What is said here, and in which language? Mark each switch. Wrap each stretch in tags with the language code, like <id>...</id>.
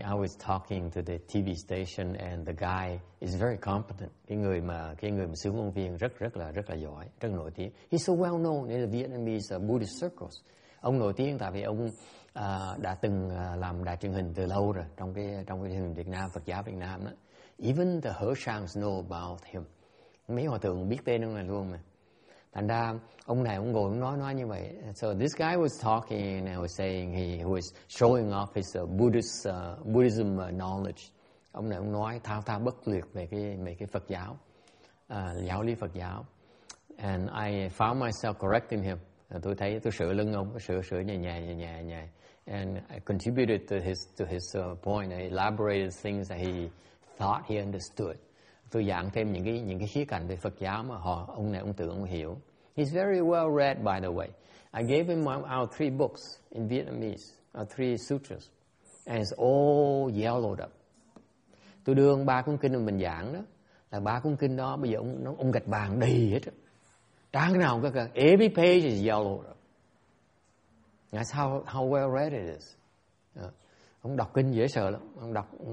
<en>I was talking to the TV station, and the guy is very competent.</en> <vi>Cái người mà xướng ngôn viên rất là giỏi, rất nổi tiếng.</vi> <en>He's so well known in the Vietnamese Buddhist circles.</en> <vi>Ông nổi tiếng tại vì ông đã từng làm đài truyền hình từ lâu rồi trong cái truyền hình Việt Nam, Phật giáo Việt Nam đó.</vi> <en>Even the Hersans know about him.</en> <vi>Mấy hòa thượng biết tên ông này luôn mà. Thành ra ông này ông ngồi ông nói như vậy.</vi> <en>So this guy was talking and was saying he was showing off his Buddhism knowledge.</en> <vi>Ông này ông nói thao thao bất tuyệt về cái Phật giáo, giáo lý Phật giáo.</vi> <en>And I found myself correcting him.</en> <vi>Tôi thấy tôi sửa lưng ông, sửa nhẹ.</vi> <en>And I contributed to his point. I elaborated things that he thought he understood.</en> <vi>Tôi giảng thêm những cái khía cạnh về Phật giáo mà ông tưởng ông hiểu.</vi> <en>He's very well read, by the way. I gave him our three books in Vietnamese, our three sutras, and it's all yellowed up.</en> <vi>Tôi đưa ông ba cuốn kinh mà mình giảng đó, là ba cuốn kinh đó bây giờ ông gạch vàng đầy hết. Trang nào cũng các</vi> <en>every page is yellowed up. That's how well read it is.</en> <vi>Ông đọc kinh dễ sợ lắm, ông đọc.</vi>